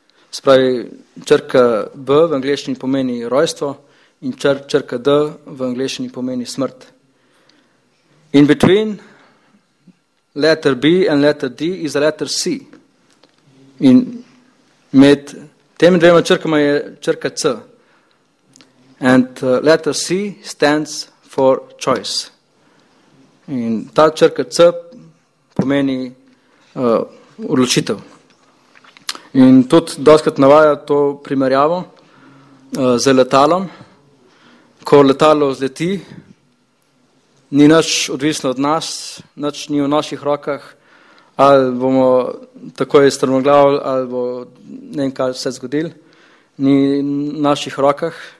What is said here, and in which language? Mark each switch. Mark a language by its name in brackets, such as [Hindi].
[Slovenian] Se pravi, črka B v angliščini pomeni rojstvo in črka D v angliščini pomeni smrt. [English] In between letter B and letter D is a letter C. [Slovenian] In med temi dvema črkama je črka C. [English] And letter C stands for choice. [Slovenian] In ta črka C pomeni odločitev. In tudi dostkrat navaja to primerjavo z letalom. Ko letalo vzleti, ni nič odvisno od nas, nič ni v naših rokah, ali bomo takoj strmoglavili, ali bo ne vem kaj se zgodil, ni v naših rokah.